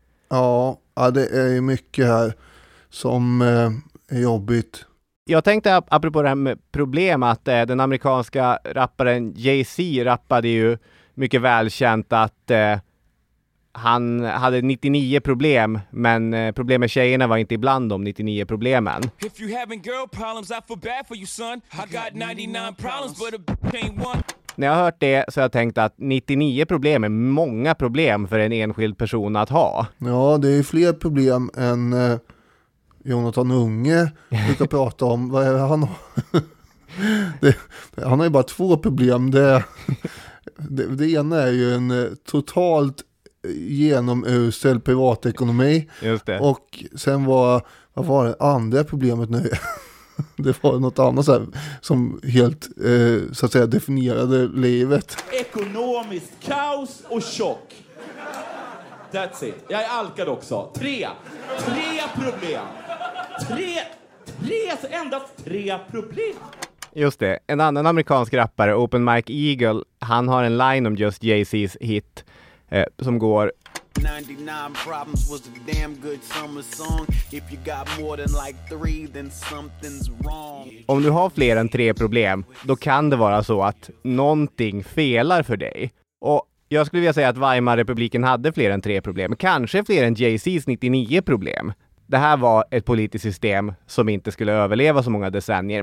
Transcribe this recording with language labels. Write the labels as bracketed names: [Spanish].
[Swedish] Ja, det är ju mycket här som är jobbigt. Jag tänkte apropå det här med problem att den amerikanska rapparen Jay-Z rappade ju mycket välkänt att han hade 99 problem, men problem med tjejerna var inte ibland de 99 problemen. [English] If you having girl problems, I feel bad for you son. I got 99 problems, but a bitch ain't one. [Swedish] När jag har hört det så har jag tänkt att 99 problem är många problem för en enskild person att ha. Ja, det är fler problem än Jonathan Unge brukar prata om. Vad är han? Han har ju bara två problem. Det ena är ju en totalt genomusel privatekonomi. Just det. Och sen vad var det andra problemet nu? Det var något annat så här, som helt så att säga definierade livet. Ekonomiskt kaos och chock. [English] That's it. [Swedish] Jag är alkad också. Tre problem. Tre problem. Just det, en annan amerikansk rappare, Open Mike Eagle, han har en line om just Jay-Z's hit som går: [English] 99 problems was a damn good summer song. If you got more than like three, then something's wrong. [Swedish] Om du har fler än tre problem, då kan det vara så att någonting felar för dig. Och jag skulle vilja säga att Weimarrepubliken hade fler än tre problem, kanske fler än Jay-Z's 99 problem. Det här var ett politiskt system som inte skulle överleva så många decennier.